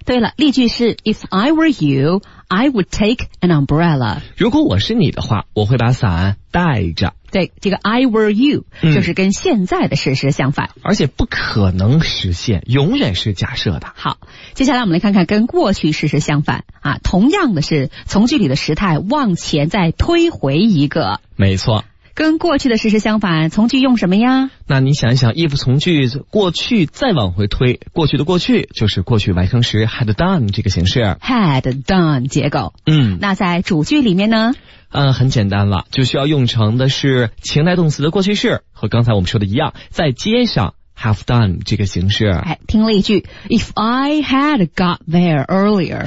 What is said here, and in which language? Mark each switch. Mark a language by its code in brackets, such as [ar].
[zh] 对了，例句是 [en] If I were you, I would take an umbrella. [zh] 如果我是你的话，我会把伞带着。对，这个 I were you, 就是跟现在的事实相反。而且不可能实现，永远是假设的。好，接下来我们来看看跟过去事实相反。啊，同样的是从句里的时态往前再推回一个。没错。跟过去的事实相反，从句用什么呀？那你想一想 ，if 从句过去再往回推，过去的过去就是过去完成时 had done 这个形式，had done 结构。那在主句里面呢？很简单了，就需要用成的是情态动词的过去式，和刚才我们说的一样，再接上 have done 这个形式。哎，听了一句 [en] ，if I had got there earlier，